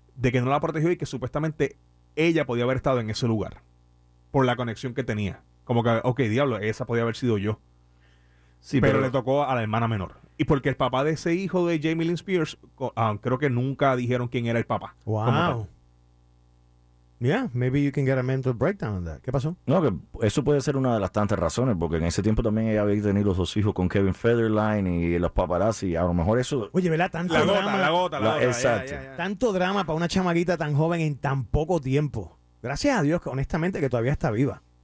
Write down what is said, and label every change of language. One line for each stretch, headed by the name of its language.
Spanish: De que no la protegió y que supuestamente ella podía haber estado en ese lugar por la conexión que tenía. Como que, ok, diablo, esa podía haber sido yo. Sí, pero le tocó a la hermana menor. Y porque el papá de ese hijo de Jamie Lynn Spears, creo que nunca dijeron quién era el papá. Wow.
English: Yeah, maybe you can get a mental breakdown on that.
Spanish: ¿Qué pasó? No, que eso puede ser una de las tantas razones, porque en ese tiempo también ella había tenido los dos hijos con Kevin Federline y los paparazzi, y a lo mejor eso... Oye, ¿verdad? Tanto la drama. Gota, la gota, la gota. Exacto. Yeah. Tanto drama para una chamaguita tan joven en tan poco tiempo. Gracias a Dios, que honestamente, que todavía está viva.